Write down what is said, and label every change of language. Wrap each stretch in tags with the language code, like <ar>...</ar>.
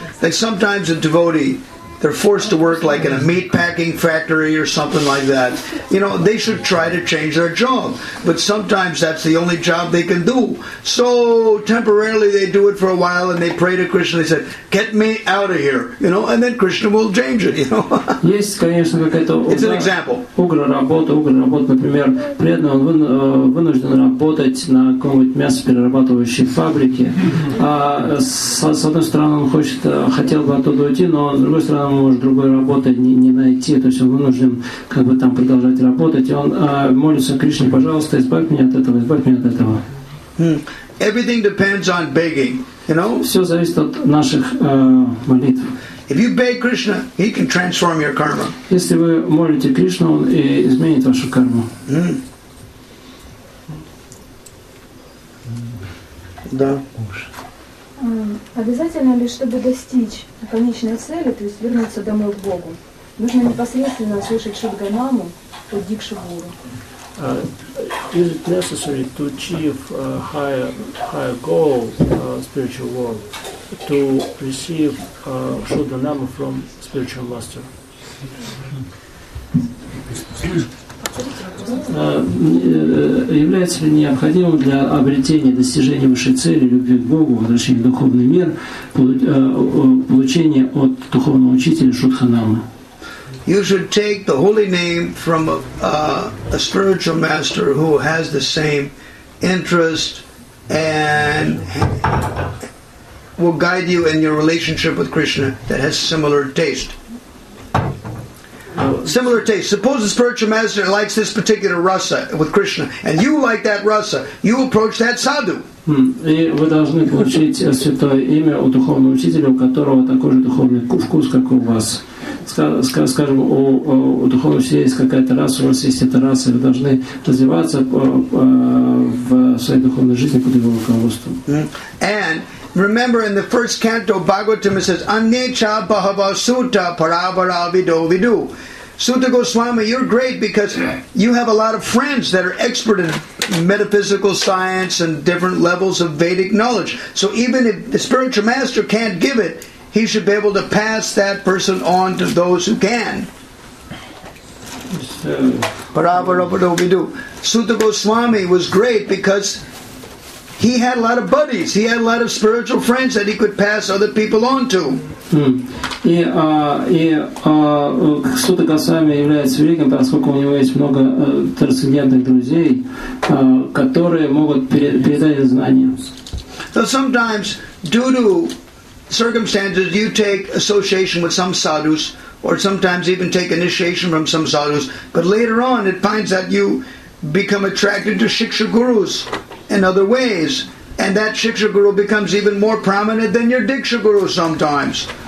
<en>Like sometimes a devotee, they're forced to work like in a meatpacking factory or something like that. You know, they should try to change their job. But sometimes that's the only job they can do. So temporarily they do it for a while and they pray to Krishna. They said, get me out of here. You know, and then Krishna will change it, you know. It's an example.</en> <ru>Угра работа, например, преданный, он вынужден работать на каком-нибудь мясоперерабатывающей фабрике. С одной стороны, он хотел бы оттуда уйти, но с другой стороны, может другой работы не найти, то есть он вынужден как бы там продолжать работать, и он молится Кришне, пожалуйста, избавь меня от этого.</ru> <en>Hmm. Everything depends on begging, you know?</en> <ru>Все зависит от наших молитв.</ru> <en>If you beg Krishna, he can transform your karma.</en> <ru>Если вы молите Кришну, он и изменит вашу карму. Hmm. Mm. Да. Обязательно ли, чтобы достичь конечной цели, то есть вернуться домой к Богу, нужно непосредственно услышать Шудгамаму от Дикши Гуру?</ru> <en>Is it necessary to achieve a higher goal, spiritual world, to receive Шудганаму from spiritual master?</en> <ru>Является ли необходимым для обретения, достижения высшей цели, любви к Богу, возвращения в духовный мир, получение от духовного учителя Шудханамы?</ru> <en>You should take the holy name from a spiritual master who has the same interest and will guide you in your relationship with Krishna that has similar taste. Similar taste. Suppose the spiritual master likes this particular rasa with Krishna, and you like that rasa. You approach that sadhu.</en> <ru>И вы должны получить святое имя у духовного учителя, у которого такой же духовный вкус, как у вас. Скажем, у духовного учителя есть какая-то раса, у вас есть эта раса, и вы должны развиваться в своей духовной жизни под его руководством.</ru> <en>And remember in the first canto, Bhagavatam, it says,</en> <sa>Anecha Bhava Sutta Paravara Vido Vidu.</sa> <en>Sutta Goswami, you're great because you have a lot of friends that are expert in metaphysical science and different levels of Vedic knowledge. So even if the spiritual master can't give it, he should be able to pass that person on to those who can.</en> <sa>Paravara Vido Vidu.</sa> <en>Sutta Goswami was great because he had a lot of buddies. He had a lot of spiritual friends that he could pass other people on to.</en> <ru>И Сута Госвами является великим, поскольку у него есть много трансцендентных друзей, которые могут передать знания.</ru> <en>So sometimes, due to circumstances, you take association with some sadhus, or sometimes even take initiation from some sadhus, but later on it finds that you become attracted to Shiksha Gurus in other ways, and that Shiksha Guru becomes even more prominent than your Diksha Guru sometimes.</en>